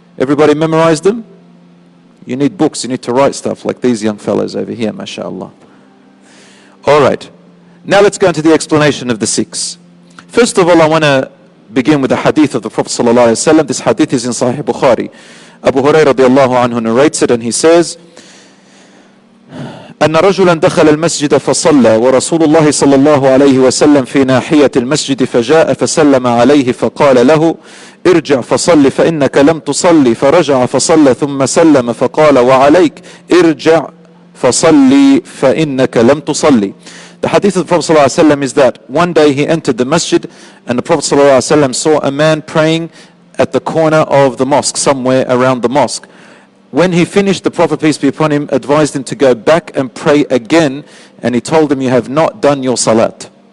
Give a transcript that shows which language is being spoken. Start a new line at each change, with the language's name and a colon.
English: Everybody memorize them? You need books, you need to write stuff like these young fellows over here, mashallah. All right, now let's go into the explanation of the six. First of all, I want to begin with the hadith of the Prophet sallallahu alaihi wasallam. This hadith is in Sahih Bukhari. Abu Hurairah radiallahu anhu narrates it, and he says,
Arabic: أن رجلا دخل المسجد فصلى ورسول الله صلى الله عليه وسلم في ناحية المسجد فجاء فسلم عليه فقال له ارجع فصل فإنك لم تصلي فرجع فصلى ثم سلم فقال وعليك ارجع فصلي فإنك لم تصلي.
English: The hadith of the Prophet sallallahu alaihi wasallam is that one day he entered the masjid and the Prophet sallallahu alaihi wasallam saw a man praying at the corner of the mosque, somewhere around the mosque. When he finished, the Prophet, peace be upon him, advised him to go back and pray again, and he told him, you have not done your salat.